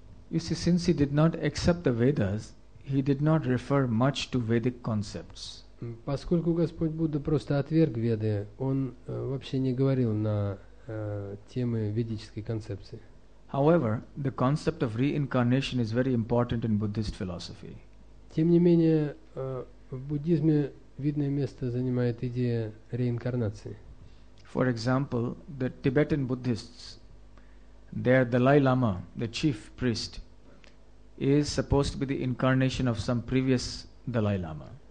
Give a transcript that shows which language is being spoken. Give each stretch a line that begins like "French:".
English: You see, since he did not accept the Vedas, he did not refer much to Vedic concepts.
Russian: Поскольку Господь Будда просто отверг Веды, он вообще не говорил на темы ведической концепции.
English: However, the concept of reincarnation is very important in Buddhist philosophy.
Russian: Тем не менее, в буддизме видное место занимает идея реинкарнации.
English: For example, the Tibetan Buddhists, their Dalai Lama, the chief priest, is supposed to be the incarnation of some previous Dalai Lama.